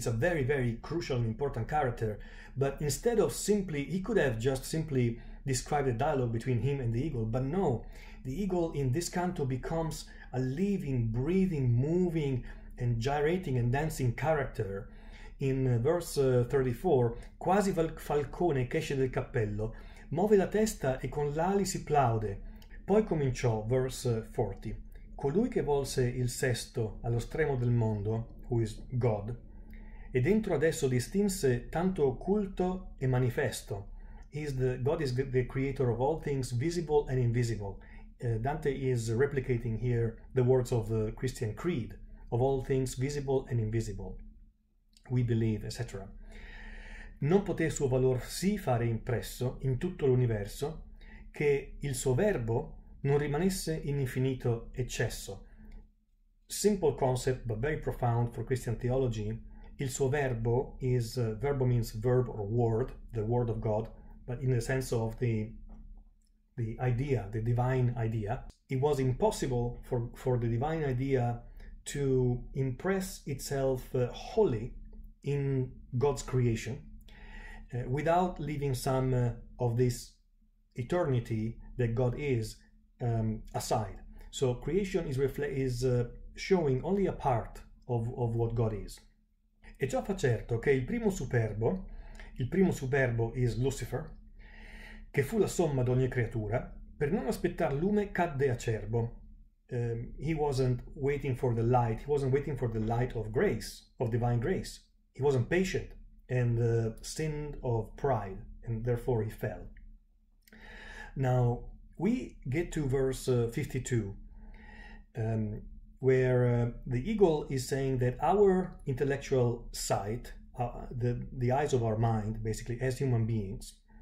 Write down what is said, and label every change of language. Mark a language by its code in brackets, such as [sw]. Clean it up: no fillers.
[en] It's a very, very crucial and important character. But instead of simply, he could have just simply described the dialogue between him and the eagle. But no, the eagle in this canto becomes a living, breathing, moving, and gyrating and dancing character. In verse 34, [it] quasi falcone esce del cappello, muove la testa e con l'ali si plaude. Poi cominciò, [en] verse 40, [it] colui che volse il sesto allo stremo del mondo, [en] who is God, [it] e dentro adesso distinse tanto occulto e manifesto. [en] God is the creator of all things, visible and invisible. Dante is replicating here the words of the Christian creed, of all things visible and invisible. We believe, etc. [it] Non poté suo valor sì fare impresso in tutto l'universo che il suo verbo non rimanesse in infinito eccesso. [en] Simple concept, but very profound for Christian theology. [it] Il suo verbo [en] is, verbo means verb or word, the word of God, but in the sense of the idea, the divine idea. It was impossible for the divine idea to impress itself wholly in God's creation without leaving some of this eternity that God is aside. So creation is showing only a part of what God is. [it] E ciò fa certo che il primo superbo [en] is Lucifer, [it] che fu la somma d'ogni creatura, per non aspettar lume cadde acerbo. [en] He wasn't waiting for the light. He wasn't waiting for the light of grace, of divine grace. He wasn't patient and sinned of pride, and therefore he fell. Now, we get to verse 52, where the eagle is saying that our intellectual sight, the eyes of our mind, basically, as human beings,